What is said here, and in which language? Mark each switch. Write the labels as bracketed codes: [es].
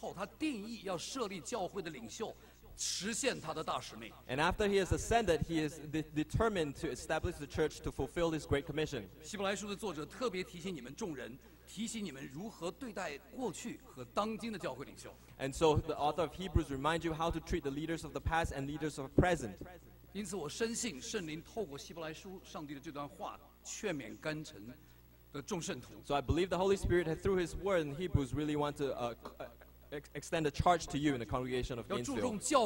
[zh] 其次是当耶稣基督得胜升天之后，他定义要设立教会的领袖。 [en] And after he has ascended, he is determined to establish the church to fulfill his great commission. [zh] 希伯来书的作者特别提醒你们众人，提醒你们如何对待过去和当今的教会领袖。 [en] And so the author of Hebrews reminds you how to treat the leaders of the past and leaders of the present. [zh] 因此我深信圣灵透过希伯来书上帝的这段话劝勉甘城。 [en] So I believe the Holy Spirit, through His Word in Hebrews, really want to extend a charge to you in the congregation of Gainesville.